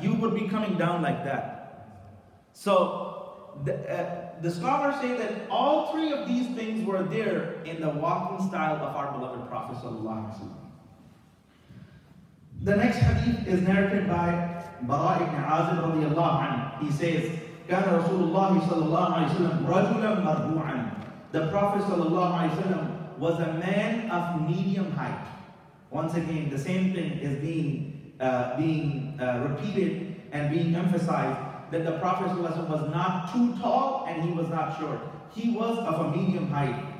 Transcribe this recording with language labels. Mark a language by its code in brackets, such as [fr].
[en] You would be coming down like that. So the scholars say that all three of these things were there in the walking style of our beloved Prophet ﷺ. The next hadith is narrated by Bara ibn Azib radiallahu anhu. He says, [ar] كان رسول الله صلى الله عليه وسلم رجلا مرفوعا. [en] The Prophet صلى الله عليه وسلم was a man of medium height. Once again, the same thing is being repeated and being emphasized, that the Prophet صلى الله عليه وسلم was not too tall and he was not short. He was of a medium height.